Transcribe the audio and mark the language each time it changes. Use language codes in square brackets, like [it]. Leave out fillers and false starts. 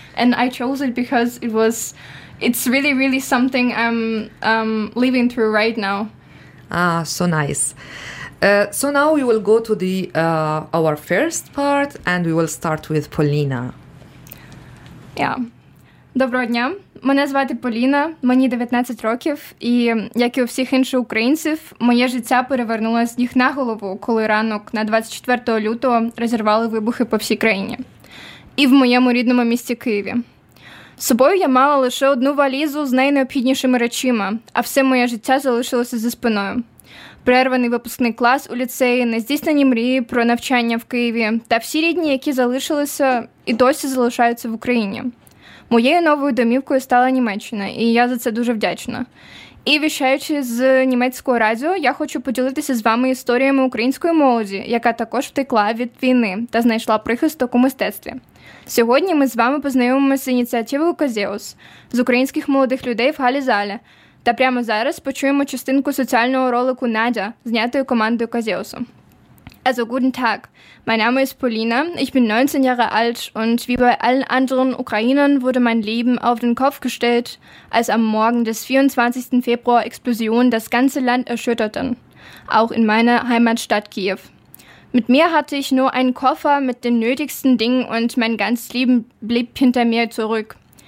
[en] And I chose it because it's really, really something I'm living through right now. Ah, so nice. So now we will go to the our first part, and we will start with Polina. Yeah. [uk] Доброго дня. Мене звати Поліна, мені 19 років, і, як і у всіх інших українців, моє життя перевернулося з ніг на голову, коли ранок на 24 лютого розірвали вибухи по всій країні. І в моєму рідному місті Києві. З собою я мала лише одну валізу з найнеобхіднішими речами, а все моє життя залишилося за спиною. Прерваний випускний клас у ліцеї, нездійснені мрії про навчання в Києві та всі рідні, які залишилися і досі залишаються в Україні. Моєю новою домівкою стала Німеччина, і я за це дуже вдячна. І віщаючи з німецького радіо, я хочу поділитися з вами історіями української молоді, яка також втекла від війни та знайшла прихисток у мистецтві. Сьогодні ми з вами познайомимося з ініціативою «Казеус» з українських молодих людей в «Галі Залі». Та прямо зараз почуємо частинку соціального ролику Надя, знятої командою Казеусу. [de] Also guten Tag. Mein Name ist Polina. Ich bin 19 Jahre alt und wie bei allen anderen Ukrainern wurde mein Leben auf den Kopf gestellt, als am Morgen des 24. Februar Explosionen das ganze Land erschütterten, auch in meiner Heimatstadt Kiew. Mit mir hatte ich nur einen Koffer mit den nötigsten Dingen und mein ganzes Leben blieb hinter mir zurück.